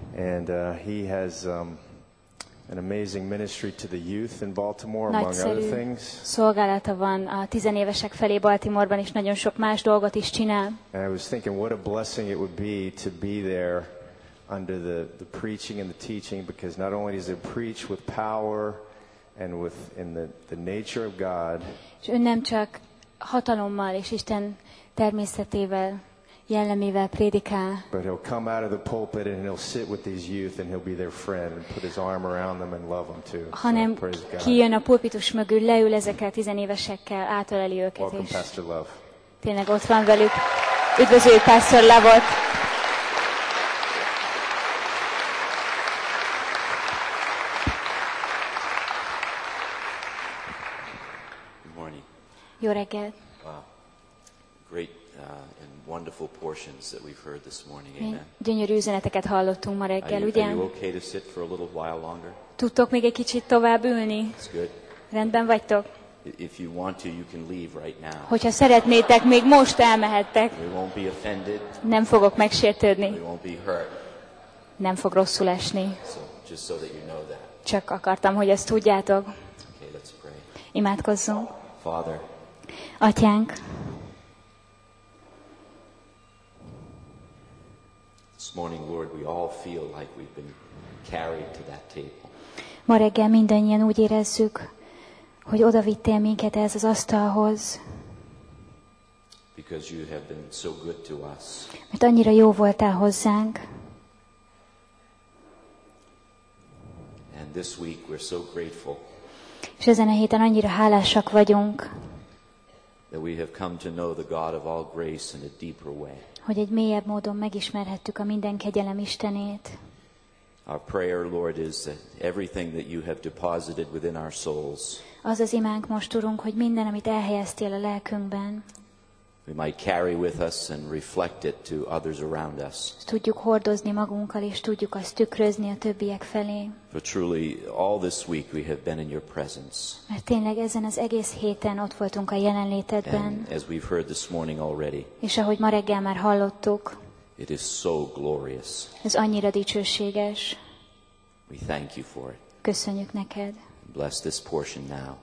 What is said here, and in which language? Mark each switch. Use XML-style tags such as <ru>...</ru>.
<en>And he has an amazing ministry to the youth in Baltimore, among other things.</en> <hu>Szolgálata van a tizenévesek felé Baltimoreban, és nagyon sok más dolgot is csinál.</hu> <en>And I was thinking what a blessing it would be to be there under the preaching and the teaching, because not only does it preach with power and with in the nature of God.</en> <hu>És ő nem csak hatalommal és Isten természetével, jellemével prédikál.</hu> <en>But he'll come out of the pulpit and he'll sit with these youth and he'll be their friend and put his arm around them and love them too.</en> <hu>Hanem kijön a pulpitus mögül, leül ezekkel a tizenévesekkel, átöleli őket.</hu> <en>Welcome, Pastor Love.</en> <hu>Tényleg ott van velük. Üdvözlőjük Pastor Love-ot. Jó reggelt.</hu> <en>Wow. Great and wonderful portions that we've heard this morning. Amen.</en> <hu>Gyönyörű üzeneteket hallottunk ma reggel, ugye?</hu> <en>Are you okay to sit for a little while longer?</en> <hu>Tudtok még egy kicsit tovább ülni?</hu> <en>It's good.</en> <hu>Rendben vagytok?</hu> <en>If you want to, you can leave right now.</en> <hu>Hogyha szeretnétek, még most elmehettek.</hu> <en>We won't be offended.</en> <hu>Nem fogok megsértődni.</hu> <en>We won't be hurt.</en> <hu>Nem fog rosszul esni.</hu> <en>So, just so that you know that.</en> <hu>Csak akartam, hogy ezt tudjátok.</hu> <en>Okay, let's pray.</en> <hu>Imádkozzunk.</hu> <en>Father,</en> <hu>Atyánk,</hu> <en>this morning, Lord, we all feel like we've been carried to that table.</en> <hu>Ma reggel mindannyian úgy érezzük, hogy odavittél minket ez az asztalhoz.</hu> <en>Because you have been so good to us.</en> <hu>Mert annyira jó voltál hozzánk.</hu> <en>And this week we're so grateful.</en> <hu>És ezen a héten annyira hálásak vagyunk.</hu> <en>That we have come to know the God of all grace in a deeper way.</en> <hu>Hogy egy mélyebb módon megismerhettük a minden kegyelem Istenét.</hu> <en>Our prayer, Lord, is that everything that you have deposited within our souls.</en> <hu>Az az imánk most, Urunk, hogy minden, amit elhelyeztél a lelkünkben.</hu> <en>We might carry with us and reflect it to others around us.</en> <hu>Tudjuk hordozni magunkkal és tudjuk azt tükrözni a többiek felé.</hu> <en>For truly, all this week we have been in your presence.</en> <hu>Mert tényleg ezen az egész héten ott voltunk a jelenlétedben.</hu> <en>And as we've heard this morning already.</en> <hu>És ahogy ma reggel már hallottuk.</hu> <en>It is so glorious.</en> <hu>Ez annyira dicsőséges.</hu> <en>We thank you for it.</en> <hu>Köszönjük neked.</hu> <en>Bless this portion now.</en>